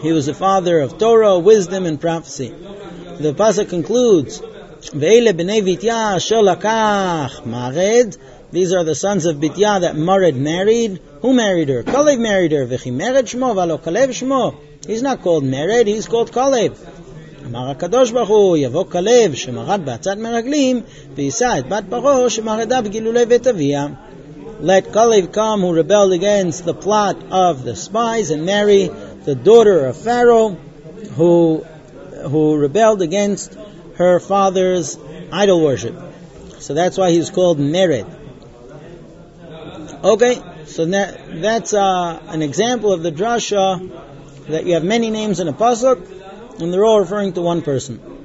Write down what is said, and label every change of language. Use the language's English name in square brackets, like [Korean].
[English] He was the father of Torah, wisdom, and prophecy. The pasuk concludes, [Hebrew] "Ve'ele b'nei Bitya asher lakach mared." [English] These are the sons of Bitya that Mared married. Who married her? Kalev married her. [Hebrew] V'chi mered shmo v'alo Kalev shmo. [English] He's not called Mered, he's called Kalev. [Hebrew] אמר הקדוש ברוך הוא, יבוא כלב שמרד בעצת מרגלים, וישא את בת ברו שמרדה בגילולי בית אביה. [English] Let Kalev come who rebelled against the plot of the spies and marry the daughter of Pharaoh who rebelled against her father's idol worship. So that's why he's called Mered. Okay, so that's an example of the drasha that you have many names in a pasuk, and they're all referring to one person.